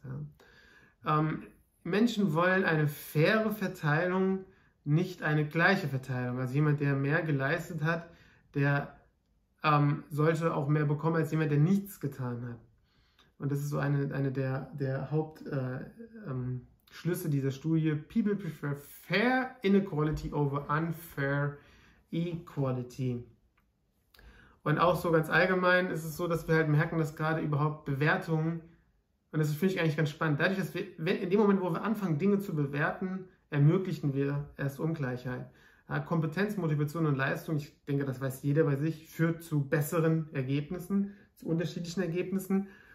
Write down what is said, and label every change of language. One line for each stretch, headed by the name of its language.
German: Ja. Menschen wollen eine faire Verteilung, nicht eine gleiche Verteilung. Also jemand, der mehr geleistet hat, der sollte auch mehr bekommen als jemand, der nichts getan hat. Und das ist so eine der Hauptschlüsse dieser Studie.
English: People prefer fair inequality over unfair equality.
German: Und auch so ganz allgemein ist es so, dass wir halt merken, dass gerade überhaupt Bewertungen, und das finde ich eigentlich ganz spannend, dadurch, dass wir, wenn, in dem Moment, wo wir anfangen, Dinge zu bewerten, ermöglichen wir erst Ungleichheit. Ja, Kompetenz, Motivation und Leistung, ich denke, das weiß jeder bei sich, führt zu besseren Ergebnissen, zu unterschiedlichen Ergebnissen.